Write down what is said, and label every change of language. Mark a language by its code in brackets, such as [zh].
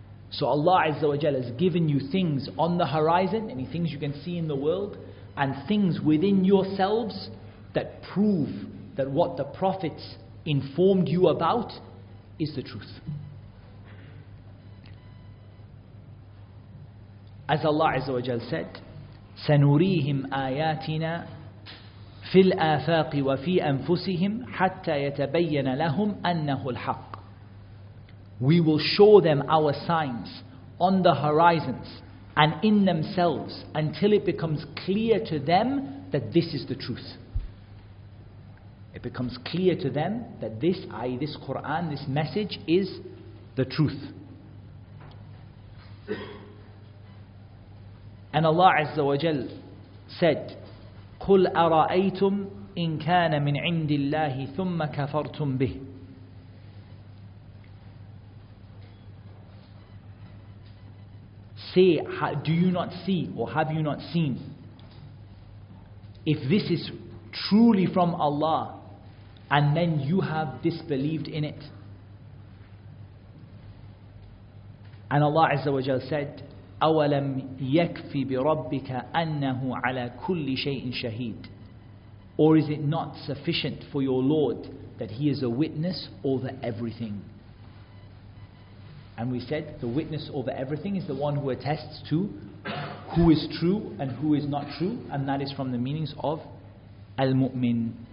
[en] So Allah Azza wa Jalla has given you things on the horizon, any things you can see in the world, and things within yourselves that prove that what the prophets informed you about is the truth. As Allah Azza wa Jalla said, [ar] سَنُرِيهِمْ آيَاتِنَا فِي الْآفَاقِ وَفِي أَنفُسِهِمْ حَتَّى يَتَبَيَّنَ لَهُمْ أَنَّهُ الْحَقِّ. [en] We will show them our signs on the horizons and in themselves until it becomes clear to them that this is the truth. It becomes clear to them that this, i.e. this Quran, this message is the truth. And Allah Azza wa Jal said, [ar] قُلْ أَرَأَيْتُمْ إِنْ كَانَ مِنْ عِنْدِ اللَّهِ ثُمَّ كَفَرْتُمْ بِهِ. [en] Say, do you not see, or have you not seen, if this is truly from Allah and then you have disbelieved in it? And Allah Azza wa Jal said, [ar] أَوَلَمْ يَكْفِ بِرَبِّكَ أَنَّهُ عَلَى كُلِّ شَيْءٍ شَهِيدٍ. [en] Or is it not sufficient for your Lord that He is a witness over everything? And we said the witness over everything is the one who attests to who is true and who is not true, and that is from the meanings of Al-Mu'min.